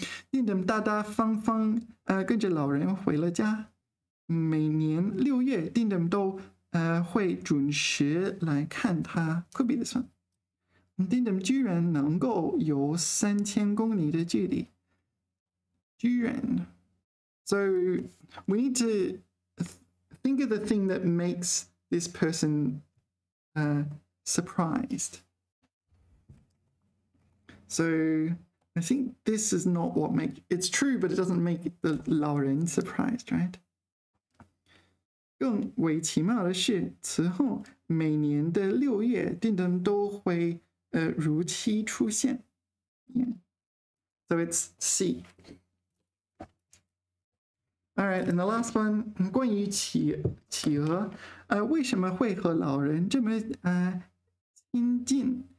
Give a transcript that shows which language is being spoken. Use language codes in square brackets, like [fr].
[zh] 丁登大大方方跟着老人回了家。每年六月，丁登都会准时来看他。 [en] Could be this one. [zh] 丁登居然能够有3000公里的距离。居然。 [en] So we need to think of the thing that makes this person surprised. So I think this is not what makes... It's true, but it doesn't make the 老人 surprised, right? [zh] 更为奇妙的是，此后每年的六月，丁登都会如期出现。 [en] Yeah. So it's C. All right, and the last one, [zh] 关于企鹅，为什么会和老人这么亲近？